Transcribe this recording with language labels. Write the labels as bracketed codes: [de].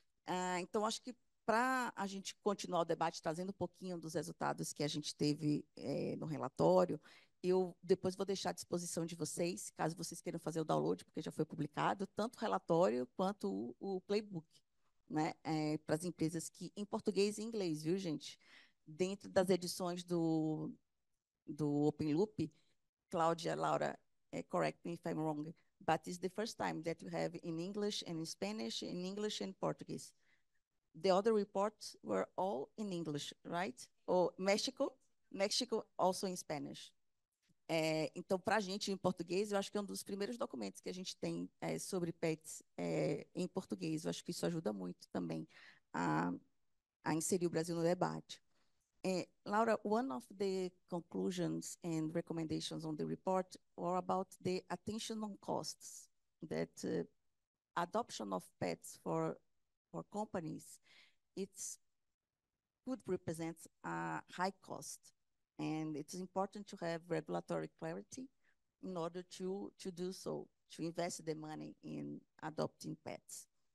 [pt] Ah, então, acho que para a gente continuar o debate, trazendo um pouquinho dos resultados que a gente teve no relatório, eu depois vou deixar à disposição de vocês, caso vocês queiram fazer o download, porque já foi publicado, tanto o relatório quanto o playbook, né? Para as empresas que, em português e inglês, viu, gente? Dentro das edições do Open Loop, [en] Claudia, Laura, correct me if I'm wrong, but it's the first time that you have in English and in Spanish, in English and Portuguese. The other reports were all in English, right? Or Mexico also in Spanish. [pt] Então, para a gente, em português, eu acho que é um dos primeiros documentos que a gente tem sobre pets em português. Eu acho que isso ajuda muito também a inserir o Brasil no debate. [en] Laura, one of the conclusions and recommendations on the report were about the attention on costs that adoption of pets for companies it's could represent a high cost and it's important to have regulatory clarity in order to do so, to invest the money in adopting pets.